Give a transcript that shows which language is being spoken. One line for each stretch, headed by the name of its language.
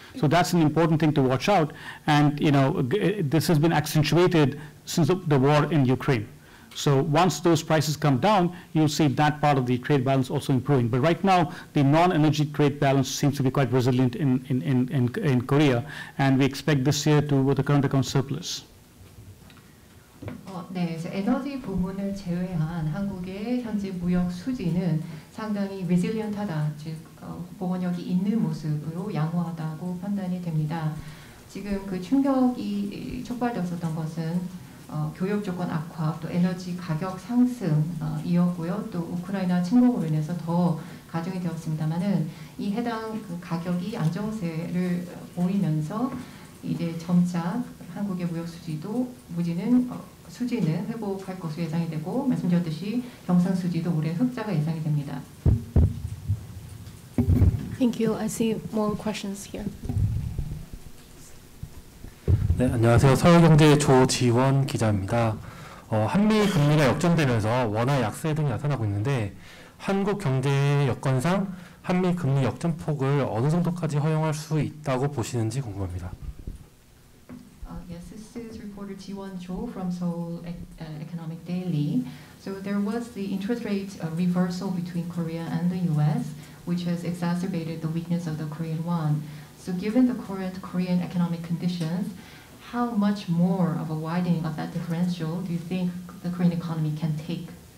English: So that's an important thing to watch out. And you know this has been accentuated since the war in Ukraine. So once those prices come down, you'll see that part of the trade balance also improving. But right now, the non-energy trade balance seems to be quite resilient in Korea, and we expect this year to with the current account surplus.
Korean: 네, 에너지 부문을 제외한 한국의 현재 무역 수지는 상당히 resilient하다, 즉 보건력이 있는 모습으로 양호하다고 판단이 됩니다. 지금 그 충격이 촉발되었던 것은 교역 조건 악화, 또 에너지 가격 상승이었고요. 또 우크라이나 침공으로 인해서 더 가중이 되었습니다만은 이 해당 그 가격이 안정세를 보이면서 이제 점차 한국의 무역 수지도 수지는 회복할 것으로 예상이 되고 말씀드렸듯이 경상 수지도 올해 흑자가 예상이 됩니다.
English: Thank you. I see more questions here.
Korean: 네, 안녕하세요. 서울경제 조지원 기자입니다. 한미 금리가 역전되면서 원화 약세 등이 나타나고 있는데 한국 경제의 여건상 한미 금리 역전폭을 어느 정도까지 허용할 수 있다고 보시는지 궁금합니다.
English: Yes, this is reporter Jiwon Cho from Seoul Economic Daily. So there was the interest rate reversal between Korea and the US, which has exacerbated the weakness of the Korean won. So given the current Korean economic conditions, how much more of a widening of that differential do you think the Korean economy can take?